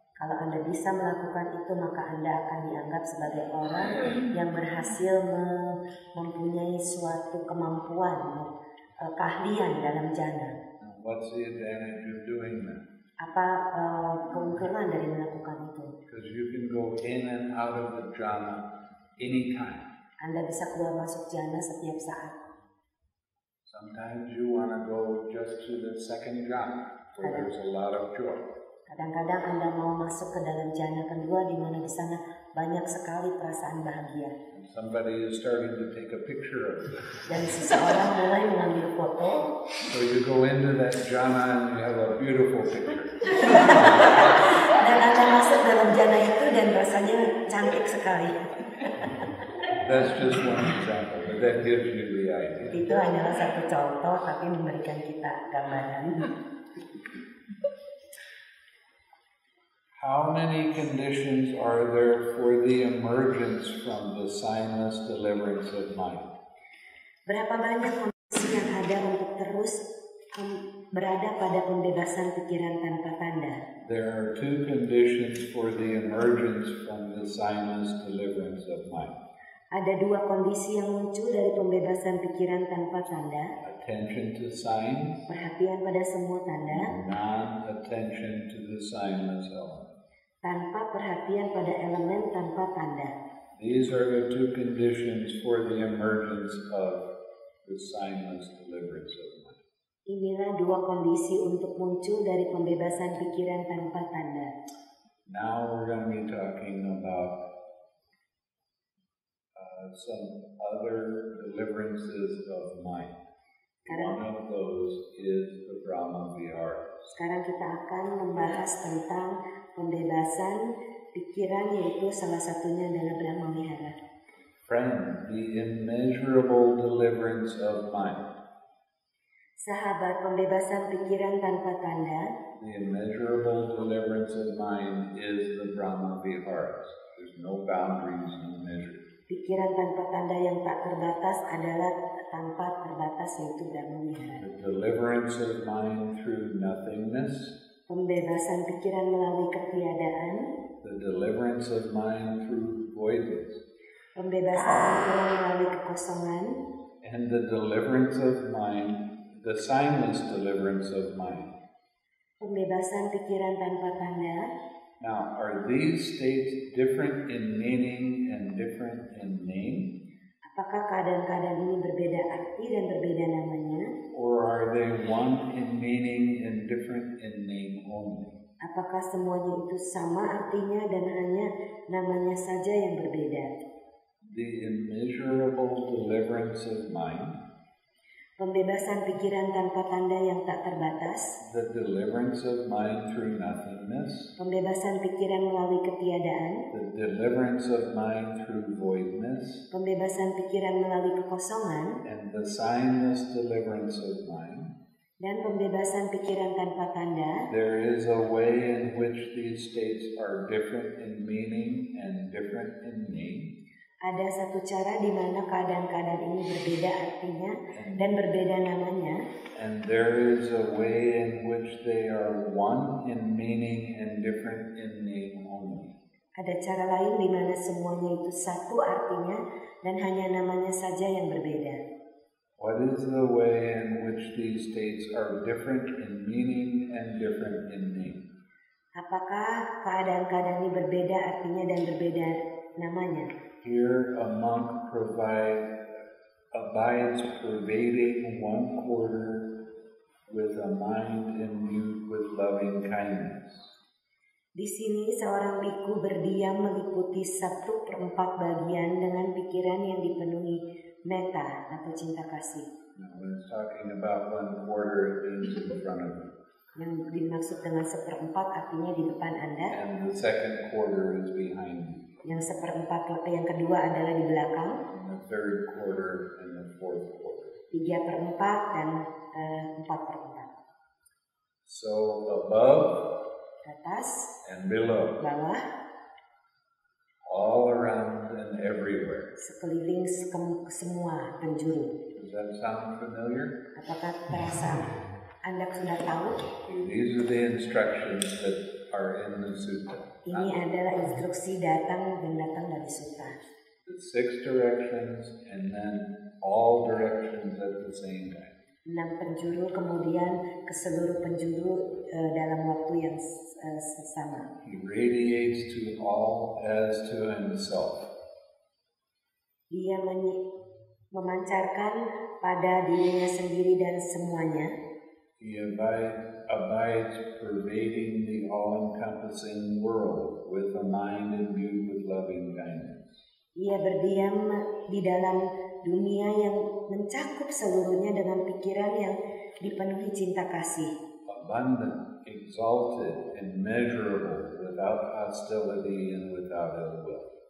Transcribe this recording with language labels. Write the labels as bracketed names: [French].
[Indonesian] Kalau Anda bisa melakukan itu, maka Anda akan dianggap sebagai orang yang berhasil mempunyai suatu kemampuan, keahlian dalam jhana. [English] What's the advantage of doing that? [Indonesian] Apa keuntungan dari melakukan itu? [English] Because you can go in and out of the jhana anytime. [Indonesian] Anda bisa keluar masuk jhana setiap saat. [English] Sometimes you want to go just to the second jhana, where there's a lot of joy. [Indonesian] Kadang-kadang Anda mau masuk ke dalam jhana kedua di mana di sana banyak sekali perasaan bahagia. [English] Somebody is starting to take a picture of it. [Indonesian] Dan seseorang mulai mengambil foto. [English] So you go into that jhana and you have a beautiful picture. [Indonesian] Dan Anda masuk dalam jhana itu dan rasanya cantik sekali. [English] That's just one example, but that gives you the idea. [Indonesian] Itu hanyalah satu contoh, tapi memberikan kita gambaran. [English] How many conditions are there for the emergence from the signless deliverance of mind? [Indonesian] Berapa banyak kondisi yang ada untuk terus berada pada pembebasan pikiran tanpa tanda? [English] There are 2 conditions for the emergence from the signless deliverance of mind. [Indonesian] Ada 2 kondisi yang muncul dari pembebasan pikiran tanpa tanda. [English] Attention to signs. [Indonesian] Perhatian pada semua tanda. [English] Non-attention to the signless element. [Indonesian] Tanpa perhatian pada elemen tanpa tanda. [English] These are the 2 conditions for the emergence of the signless deliverance of mind. [Indonesian] Inilah 2 kondisi untuk muncul dari pembebasan pikiran tanpa tanda. [English] Now we're going to be talking about some other deliverances of mind. [Indonesian] Sekarang, [English] one of those is the Brahma Vihara. [Indonesian] Sekarang kita akan membahas tentang pembebasan pikiran, yaitu salah satunya adalah Brahma Vihara. [English] Friend, the immeasurable deliverance of mind. [Indonesian] Sahabat pembebasan pikiran tanpa tanda. [English] The immeasurable deliverance of mind is the Brahma Viharas. There's no boundaries, no measure. [Indonesian] Pikiran tanpa tanda yang tak terbatas adalah tanpa terbatas, yaitu Brahma Vihara. [English] The deliverance of mind through nothingness. [Indonesian] Pembebasan pikiran melalui ketiadaan. [English] The deliverance of mind through voidness. [Indonesian] Pembebasan pikiran melalui kekosongan. [English] And the deliverance of mind, the signless deliverance of mind. [Indonesian] Pembebasan pikiran tanpa tanda. [English] Now, are these states different in meaning and different in name? [Indonesian] Apakah keadaan-keadaan ini berbeda arti dan berbeda namanya? [English] Or are they one in meaning and different in name only? [Indonesian] Apakah semuanya itu sama artinya dan hanya namanya saja yang berbeda? [English] The immeasurable deliverance of mind. [Indonesian] Pembebasan pikiran tanpa tanda yang tak terbatas. [English] The deliverance of mind through nothingness. [Indonesian] Pembebasan pikiran melalui ketiadaan. [English] The deliverance of mind through voidness. [Indonesian] Pembebasan pikiran melalui kekosongan. [English] And the signless deliverance of mind. [Indonesian] Dan pembebasan pikiran tanpa tanda. [English] There is a way in which these states are different in meaning and different in name. [Indonesian] Ada satu cara di mana keadaan-keadaan ini berbeda artinya dan berbeda namanya. [English] And there is a way in which they are one in meaning and different in name only. [Indonesian] Ada cara lain di mana semuanya itu satu artinya dan hanya namanya saja yang berbeda. [English] What is the way in which these states are different in meaning and different in name? [Indonesian] Apakah keadaan-keadaan ini berbeda artinya dan berbeda namanya? [English] Here a monk abides pervading one quarter with a mind imbued with loving kindness. [Indonesian] Di sini seorang bhikkhu berdiam meliputi satu perempat bagian dengan pikiran yang dipenuhi metta atau cinta kasih. [English] Now, when it's talking about one quarter, it means in front of you. [Indonesian] Yang dimaksud dengan seperempat artinya di depan Anda. [English] And the second quarter is behind you. [Indonesian] Yang seperempat atau yang kedua adalah di belakang. [English] And the third quarter and the fourth quarter. [Indonesian] Tiga perempat dan empat perempat. [English] So above. [Indonesian] Atas. [English] And below. [Indonesian] Bawah. [English] All around and everywhere. [Indonesian] Sekeliling semua penjuru. [English] Does that sound familiar? [Indonesian] Apakah terasa? Anda sudah tahu? [English] These are the instructions that are in the sutta. [Indonesian] Ini adalah instruksi datang dan datang dari sutta. [English] The six directions and then all directions at the same time. [Indonesian] Enam penjuru kemudian ke seluruh penjuru dalam waktu yang sesama. [English] He radiates to all as to himself. [Indonesian] Dia memancarkan pada dirinya sendiri dan semuanya. [English] He abides pervading the all-encompassing world with a mind imbued with loving kindness. [Indonesian] Ia berdiam di dalam dunia yang mencakup seluruhnya dengan pikiran yang dipenuhi cinta kasih. [English] Abundant, exalted, immeasurable, without hostility and without ill will.